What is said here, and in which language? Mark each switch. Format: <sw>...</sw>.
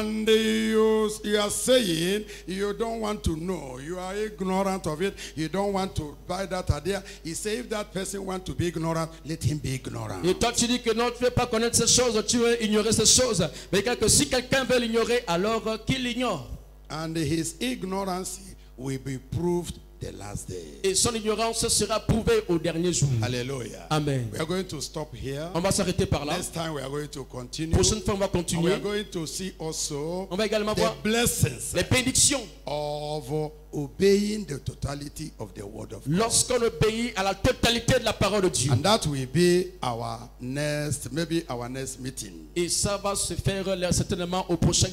<en>and you are saying you don't want to know, you are ignorant of it, you don't want to buy that idea. He said, if that person wants to be ignorant, let him be ignorant.</en> <fr>Et toi tu dis que non, tu ne veux pas connaître ces choses, tu veux ignorer ces choses. Mais que si quelqu'un veut l'ignorer, alors qu'il l'ignore.</fr> <en>And his ignorance will be proved the last day.</en> <fr>Et son ignorance sera prouvée au dernier jour.</fr> <en>Hallelujah.</en> <fr>Amen.</fr> <en>We are going to stop here.</en> <fr>On va s'arrêter par là.</fr> <en>Next time we are going to continue.</en> <fr>Prochaine fois on va continuer.</fr> <en>We are going to see also</en> <fr>on va également</fr> <en>the</en> <fr>voir</fr> <en>blessings,</en> <fr>les bénédictions</fr> <en>of obeying the totality of the word of God.</en> <fr>Lorsqu'on obéit à la totalité de la parole de Dieu.</fr> <en>And that will be our next, maybe our next meeting.</en> <fr>Et ça va se faire certainement au prochain.</fr>